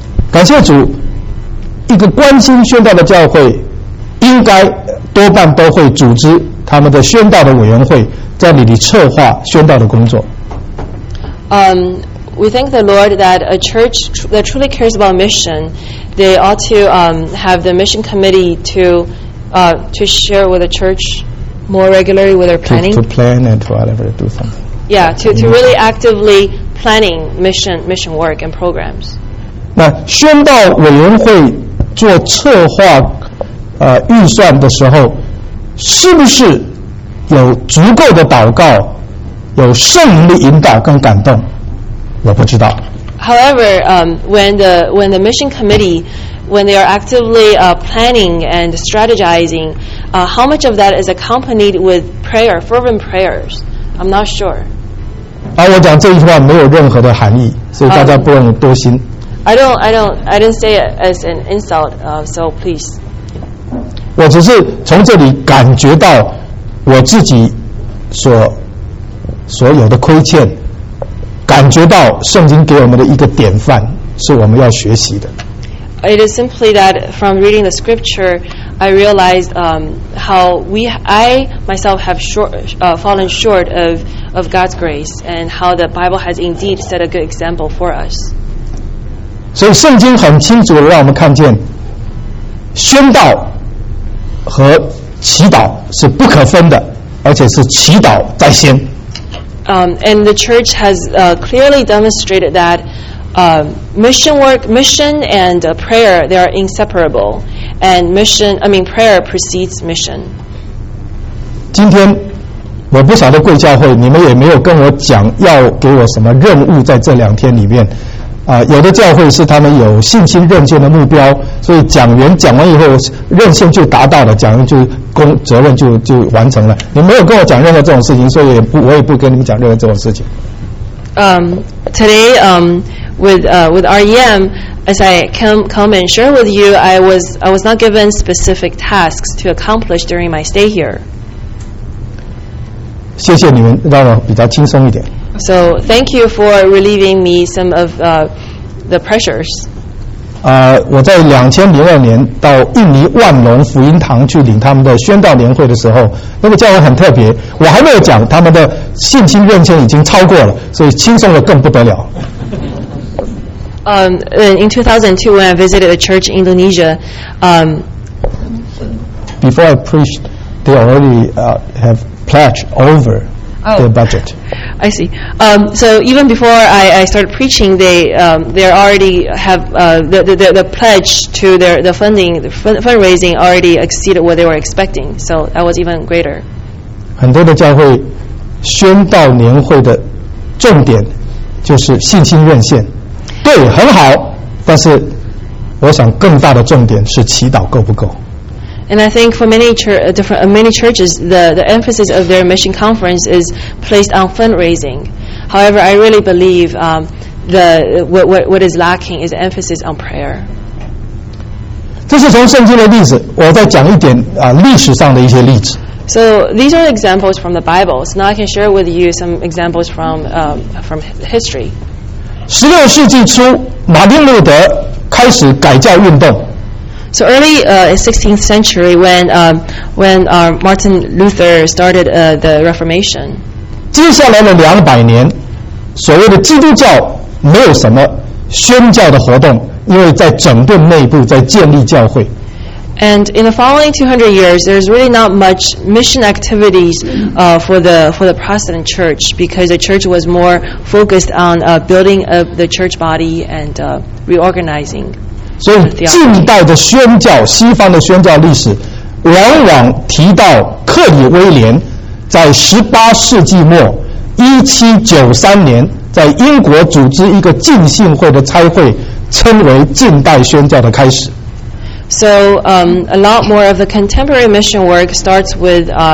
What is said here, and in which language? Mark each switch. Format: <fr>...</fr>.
<zh>感谢主，一个关心宣道的教会，应该多半都会组织他们的宣道的委员会在那里策划宣道的工作。</zh> <en>we thank the Lord that a church that truly cares about mission, they ought to have the mission committee to share with the church more regularly with their planning. To plan and to whatever, do something. Yeah, to really actively planning mission work and programs.</en> <zh>那宣道委员会做策划预算的时候，是不是有足够的祷告，有圣灵引导跟感动？我不知道。</zh> <en>However, when the mission committee when they are actively planning and strategizing, how much of that is accompanied with prayer, fervent prayers? I'm not sure.</en> <zh>我讲这句话没有任何的含义，所以大家不用多心。</zh> <en>I didn't say it as an insult, so please.</en> <zh>我只是从这里感觉到我自己所有的亏欠，感觉到圣经给我们的一个典范是我们要学习的。</zh> <en>It is simply that from reading the scripture, I realized how I myself have fallen short of God's grace, and how the Bible has indeed set a good example for us.</en> <zh>所以圣经很清楚地让我们看见，宣道和祈祷是不可分的，而且是祈祷在先。</zh> <en>And the church has clearly demonstrated that mission work, mission and prayer, they are inseparable. And prayer precedes mission.</en> <zh>今天我不晓得贵教会，你们也没有跟我讲要给我什么任务在这两天里面。有的教会是他们有信心认证的目标，所以讲员讲完以后，认证就达到了，讲员就工责任就完成了。你没有跟我讲任何这种事情，所以我也不跟你们讲任何这种事情。</zh> <en>Today, with REM, as I come and share with you, I was not given specific tasks to accomplish during my stay here.</en> <zh>谢谢你们，让我比较轻松一点。</zh> <en>So thank you for relieving me some of the pressures.</en> <zh>我在2002年到印尼万隆福音堂去领他们的宣道年会的时候，那个教会很特别。我还没有讲他们的信心认证已经超过了，所以轻松的更不得了。</zh> <en>In 2002, when I visited a church in Indonesia, before I preached, they already have pledged over. Oh, their budget. I see. So even before I started preaching, they already have the pledge to the funding, the fundraising already exceeded what they were expecting. So that was even greater.</en> <zh>很多的教会宣道年会的重点就是信心认现，对，很好。但是我想更大的重点是祈祷够不够。</zh> <en>And I think for many churches, the emphasis of their mission conference is placed on fundraising. However, I really believe what is lacking is emphasis on prayer.</en> <zh>这是从圣经的例子，我再讲一点历史上的一些例子。</zh> <en>So these are examples from the Bible. So now I can share with you some examples from history.</en> <zh>16世纪初，马丁路德开始改教运动。</zh> <en>So early in 16th century, when Martin Luther started the Reformation.</en> <zh>接下来的200年，所谓的基督教没有什么宣教的活动，因为在整顿内部，在建立教会。</zh> <en>And in the following 200 years, there's really not much mission activities for the Protestant church because the church was more focused on building of the church body and reorganizing.</en> <zh>所以近代的宣教，西方的宣教历史，往往提到克里威廉在18世纪末1793年在英国组织一个浸信会的差会，称为近代宣教的开始。</zh> <en>So, a lot more of the contemporary mission work starts with</en>